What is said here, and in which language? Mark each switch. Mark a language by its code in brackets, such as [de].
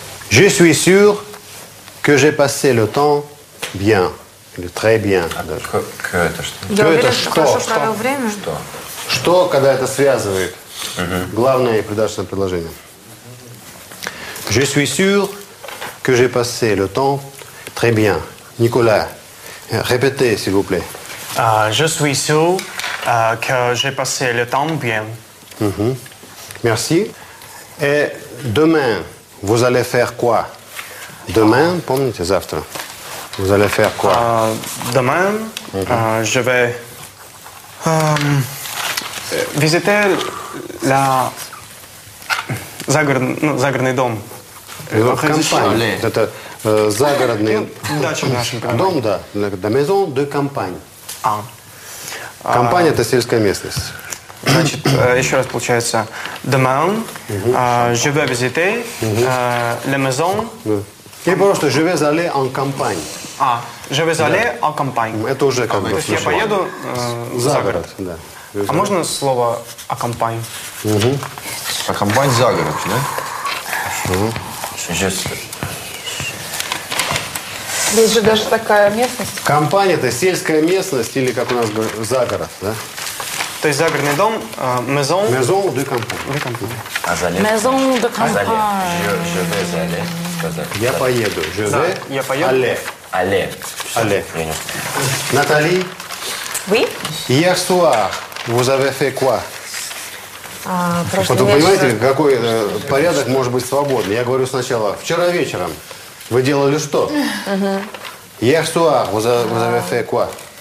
[fr] Je suis sûr que j'ai passé le temps bien. Le très bien. [ru] Que это что? Я уверен, что хорошо провел время. Что? Что, когда это связывает? Главное предложение. Предложение. [fr] Je suis sûr que j'ai passé le temps très bien. Николай, répétez, s'il vous plaît. Je suis sûr que j'ai passé le temps bien. Mm-hmm. Merci. Et demain, vous allez faire quoi? [ru] Demain, помните, завтра. [fr] Vous allez faire quoi? Demain, je vais visiter la [ru] загородный дом. Это загородный дом, да. [fr] La maison de campagne. [ru] А. Компания – это сельская местность. Значит, еще раз получается. [fr] Demain, je vais visiter la maison. [ru] И просто [fr] je vais aller en campagne. А, je vais aller en campagne. [ru] Это уже как бы слышал. Я поеду за город. Да. А можно слово «а кампань»? А кампань – за город, да? Здесь же даже такая местность. Компания – это сельская местность или, как у нас говорят, загород, да? То есть загородный дом, maison. [fr] Maison de campagne. De campagne. Azale. Maison de campagne. Je vais aller. [ru] Я поеду. [fr] Je vais. [ru] Я поеду. [fr] Allez. Allez. Allez. Натали? Oui. Hier soir, vous avez fait quoi? [ru] Просто вы понимаете, какой порядок может быть свободный? Я говорю сначала, вчера вечером. Вы делали что? [fr] Hier soir, vous avez fait quoi?